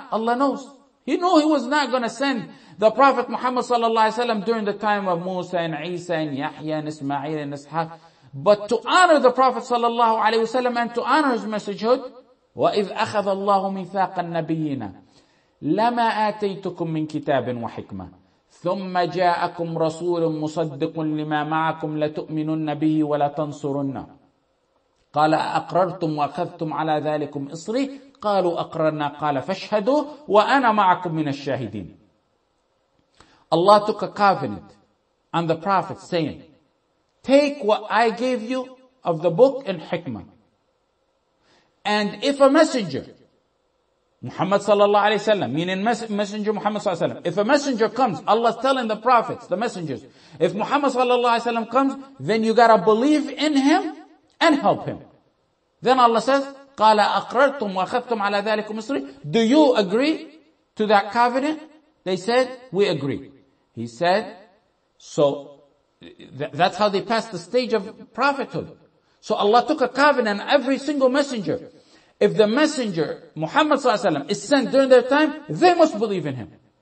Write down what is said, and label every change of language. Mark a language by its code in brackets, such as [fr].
[en] Allah knew he was not going to send the Prophet Muhammad sallallahu alaihi wasallam during the time of Musa and Isa and Yahya and Ismail and Ishaq. But to honor the Prophet sallallahu alaihi wasallam and to honor his messengerhood, [ar] وَإِذْ أَخَذَ اللَّهُ مِيثَاقَ النَّبِيِّينَ لَمَا آتَيْتُكُمْ مِنْ كِتَابٍ وَحِكْمَةٍ ثُمَّ جَاءَكُمْ رَسُولٌ مُصَدِّقٌ لِمَا مَعَكُمْ لَتُؤْمِنُنَّ بِهِ وَلَتَنْصُرُنَّهُ قال أقررتم وأخذتم على ذلكم إصري قالوا أقررنا قال فاشهدوا وأنا معكم من الشاهدين. [en] Allah took a covenant on the Prophet saying, take what I gave you of the book in hikmah. And if a messenger, Muhammad sallallahu alayhi wa sallam, meaning messenger Muhammad sallallahu alayhi wa sallam, if a messenger comes, Allah's telling the prophets, the messengers, if Muhammad sallallahu alayhi wa sallam comes, then you gotta believe in him and help him. Then Allah says, [ar] قَالَ أَقْرَرْتُمْ وَأَخَذْتُمْ عَلَى ذَلِكُمْ مِصْرِي. [en] Do you agree to that covenant? They said, we agree. He said, so that's how they passed the stage of prophethood. So Allah took a covenant on every single messenger. If the messenger, Muhammad sallallahu alayhi wa sallam, is sent during their time, they must believe in him.